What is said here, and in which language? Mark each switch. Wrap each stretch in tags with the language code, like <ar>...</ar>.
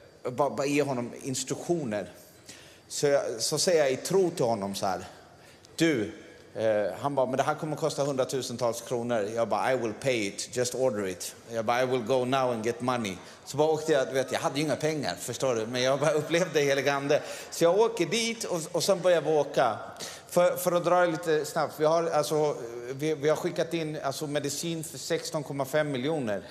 <sv>Bara ge honom instruktioner. Så säger jag i tro till honom så här. Du... Han bara, men det här kommer att kosta 100 000-tals kronor. Jag bara,</sv> <en>I will pay it, just order it.</en> <sv>Jag bara,</sv> <en>I will go now and get money.</en> <sv>Så bara åkte jag, du vet, jag hade ju inga pengar, förstår du. Men jag bara upplevde heliga ande. Så jag åker dit och sen börjar jag åka. För att dra lite snabbt. Vi har skickat in alltså, medicin för 16,5 miljoner.</sv>